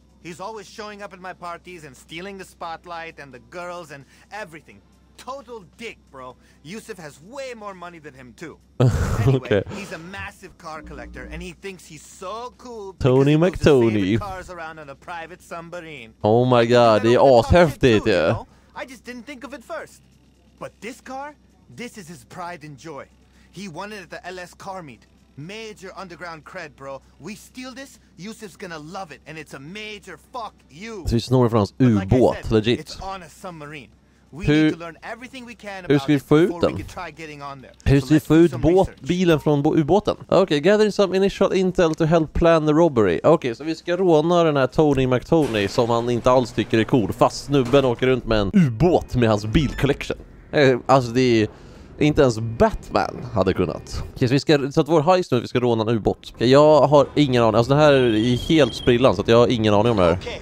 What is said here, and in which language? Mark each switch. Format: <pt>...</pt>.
<en>He's always showing up at my parties and stealing the spotlight and the girls and everything. Total dick, bro. Yusuf has way more money than him too. Anyway, okay. He's a massive car collector and he thinks he's so cool. Tony McTony. Cars around on a private submarine. Oh my god,</en> <sv>det är ashäftigt, ja.</sv> <en>I just didn't think of it first. But this car, this is his pride and joy. He won it at the LS car meet. Major underground cred, bro. We steal this, Yusuf's gonna love it and it's a major fuck you.</en> <sv>Det är snor från hans ubåt, legit.</sv> <en>It's on a submarine.</en> <sv>Hur ska vi få ut den? Hur ska vi få ut bilen från ubåten?</sv> <en>Okej, gathering some initial intel to help plan the robbery.</en> <sv>Okej, så vi ska råna den här Tony McTony som han inte alls tycker är cool. Fast snubben åker runt med en ubåt med hans bilcollection. Alltså det är... inte ens Batman hade kunnat. Okej, okay, så att vår heist nu, vi ska råna en ubåt. Okay, jag har ingen aning. Alltså det här är helt sprillan, så att jag har ingen aning om det här.</sv>